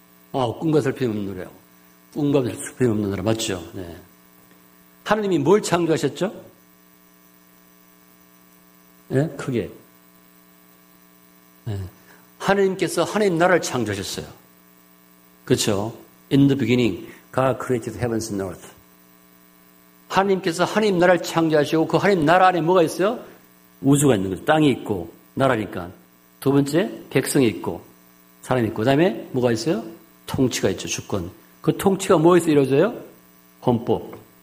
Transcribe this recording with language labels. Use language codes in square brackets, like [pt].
[ko] 꿈과 슬픔이 없는 노래요. 꿈과 슬픔이 없는 노래. 맞죠? 네. 하나님이 뭘 창조하셨죠? 예? 네? 크게. 네. 하나님께서 하나님 나라를 창조하셨어요. 그렇죠? [en] In the beginning, God created heavens and earth. [ko] 하나님께서 하나님 나라를 창조하시고 그 하나님 나라 안에 뭐가 있어요? 우주가 있는 거죠. 땅이 있고 나라니까. 두 번째, 백성이 있고 사람이 있고 그다음에 뭐가 있어요? 통치가 있죠. 주권. 그 통치가 뭐에서 이루어져요? 헌법.